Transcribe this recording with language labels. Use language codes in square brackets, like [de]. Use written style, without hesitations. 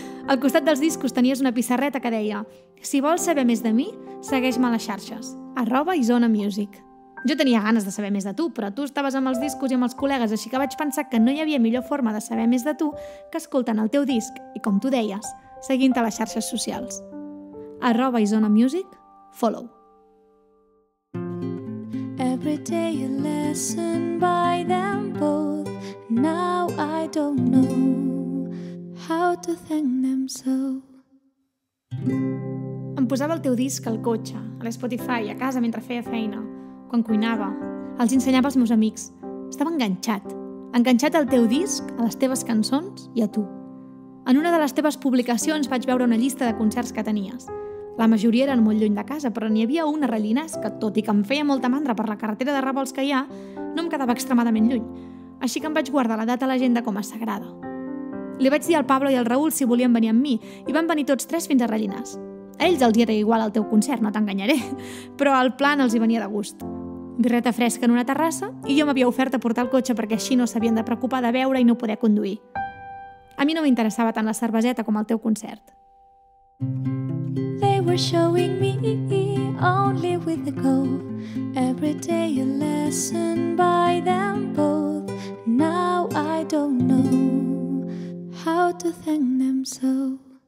[ca] Al costat dels discos tenies una pissarreta que deia: si vols saber més de mi, segueix-me a les xarxes, @isonamusic. Jo tenia ganes de saber més de tu, però tu estaves amb els discos i amb els col·legues, així que vaig pensar que no hi havia millor forma de saber més de tu que escoltant el teu disc i, com tu deies, seguint-te a les xarxes socials. [en] @isonamusic, follow. Every day a lesson by them both. Now I don't know how to thank them so. [ca] Em posava el teu disc al cotxe, a l'Spotify, a casa mentre feia feina, quan cuinava. Els ensenyava als meus amics. Estava enganxat. Enganxat al teu disc, a les teves cançons i a tu. En una de les teves publicacions vaig veure una llista de concerts que tenies. La majoria eren molt lluny de casa, però n'hi havia una a Rellinars que, tot i que em feia molta mandra per la carretera de revolts que hi ha, no em quedava extremadament lluny. així que em vaig guardar la data a l'agenda com a sagrada. Li vaig dir al Pablo i al Raúl si volien venir amb mi, i van venir tots tres fins a Rellinars. A ells els hi era igual el teu concert, no t'enganyaré, però el plan els hi venia de gust. Birreta fresca en una terrassa, i jo m'havia ofert a portar el cotxe perquè així no s'havien de preocupar de beure i no poder conduir. A mi no m'interessava tant la cerveseta com el teu concert. [en] They were showing me only with a go. Every day a lesson by them both. Now I don't know how to thank them so.